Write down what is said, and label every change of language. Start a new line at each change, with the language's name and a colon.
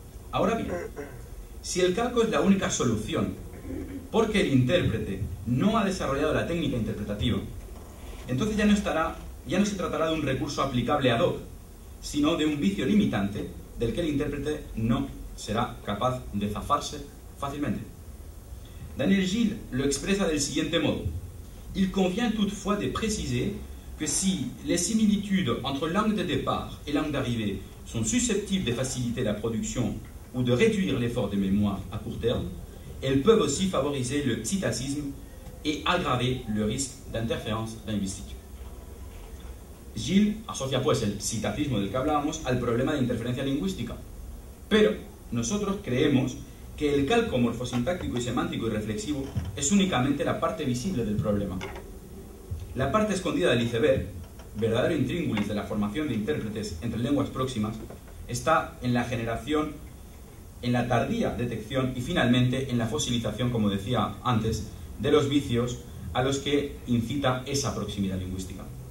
Spanish: Ahora bien, si el calco es la única solución porque el intérprete no ha desarrollado la técnica interpretativa, entonces ya no se tratará de un recurso aplicable ad hoc, sino de un vicio limitante del que el intérprete no será capaz de zafarse fácilmente. Daniel Gilles lo expresa del siguiente modo:
French: il convient toutefois de préciser que si les similitudes entre langue de départ et langue d'arrivée sont susceptibles de faciliter la production ou de réduire l'effort de mémoire à court terme, elles peuvent aussi favoriser le psittacisme et aggraver le risque d'interférence linguistique.
Spanish: Gilles asocia pues el psittacisme del que hablábamos al problema de interferencia lingüística, pero nosotros creemos que el calco morfosintáctico y semántico y reflexivo es únicamente la parte visible del problema. La parte escondida del iceberg, verdadero intríngulis de la formación de intérpretes entre lenguas próximas, está en la generación, en la tardía detección y finalmente en la fosilización, como decía antes, de los vicios a los que incita esa proximidad lingüística.